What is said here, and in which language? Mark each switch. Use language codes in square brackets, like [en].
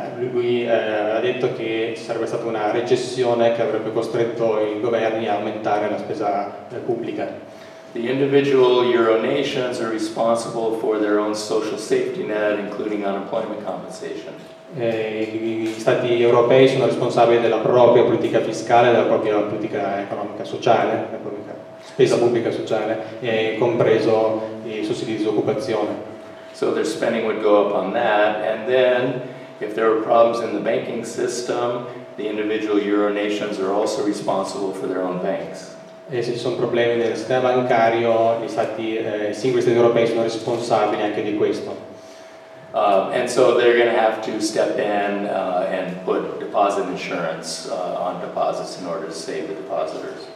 [it] Lui ha detto che ci sarebbe stata una recessione che avrebbe costretto i governi a aumentare la spesa pubblica. [en] The individual euro nations are responsible for their own social safety net, including unemployment compensation. [it] Gli stati europei sono responsabili della propria politica fiscale, della propria politica economica sociale, della propria spesa pubblica sociale, compreso i sussidi di disoccupazione. [en] So their spending would go up on that, and then if there were problems in the banking system, the individual euro nations are also responsible for their own banks. [it] E se ci sono problemi nel sistema bancario, gli stati, i singoli stati europei sono responsabili anche di questo. [en] And so they're going to have to step in and put deposit insurance on deposits in order to save the depositors.